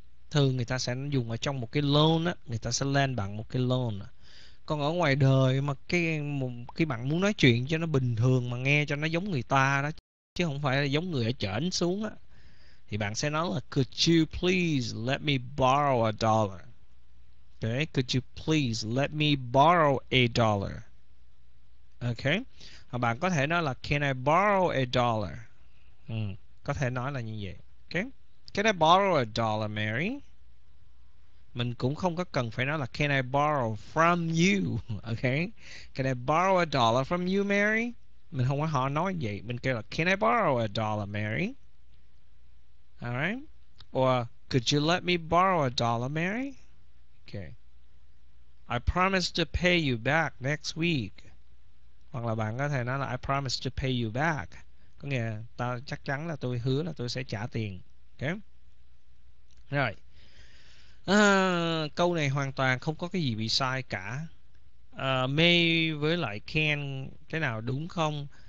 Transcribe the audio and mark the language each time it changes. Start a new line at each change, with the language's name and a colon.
Vietnamese: thường người ta sẽ dùng ở trong một cái loan á, người ta sẽ lên bằng một cái loan. Còn ở ngoài đời mà khi bạn muốn nói chuyện cho nó bình thường mà nghe cho nó giống người ta đó, chứ không phải là giống người ở trển xuống á, thì bạn sẽ nói là
English: could you please let me borrow a dollar. Okay, could you please let me borrow a dollar.
Vietnamese: Okay, hoặc bạn có thể nói là
English: can I borrow a dollar.
Vietnamese: Có thể nói là như vậy.
English: Okay, can I borrow a dollar, Mary?
Vietnamese: Mình cũng không có cần phải nói là
English: can I borrow from you. Okay, can I borrow a dollar from you, Mary?
Vietnamese: Mình không có hỏi nói vậy, mình kêu là
English: can I borrow a dollar, Mary? Alright. Or could you let me borrow a dollar, Mary? Okay. I promise to pay you back next week.
Vietnamese: Hoặc là bạn có thể nói là
English: I promise to pay you back.
Vietnamese: Có nghĩa là tao chắc chắn là tôi hứa là tôi sẽ trả tiền. Okay. Rồi. Câu này hoàn toàn không có cái gì bị sai cả. May với lại can, cái nào đúng không?